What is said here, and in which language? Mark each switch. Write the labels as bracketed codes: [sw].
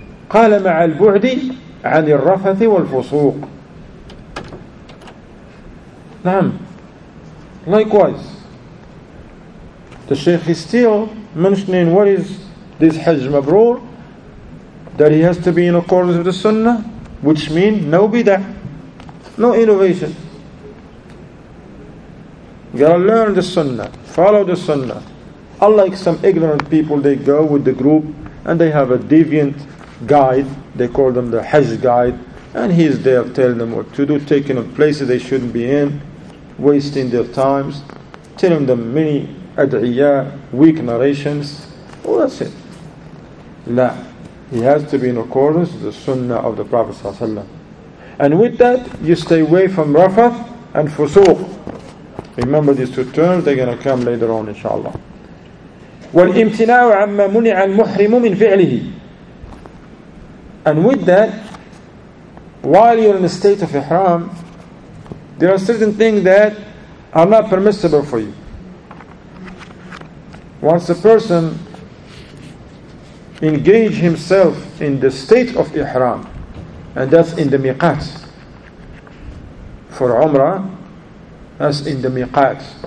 [ar] قال مع البعد عن الرفث والفسوق. نعم. [en] Likewise, the Shaykh is still mentioning what is this Hajj Mabroor, that he has to be in accordance with the Sunnah, which means no bid'ah, no innovation. You gotta learn the Sunnah, follow the Sunnah. Unlike some ignorant people, they go with the group and they have a deviant guide, they call them the Hajj guide, and he's there telling them what to do, taking them places they shouldn't be in, wasting their times, telling them many ad'iyah, weak narrations. Well, that's it. La, he has to be in accordance with the Sunnah of the Prophet ﷺ. And with that, you stay away from Rafath and Fusuq. Remember these two terms, they're going to come later on, inshallah. [ar] وَالْإِمْتِنَاءُ عَمَّا مُنِعَ الْمُحْرِمُ مِنْ فِعْلِهِ. [en] And with that, while you're in the state of ihram, there are certain things that are not permissible for you. Once a person engage himself in the state of ihram, and that's in the miqat for umrah, that's in the miqat.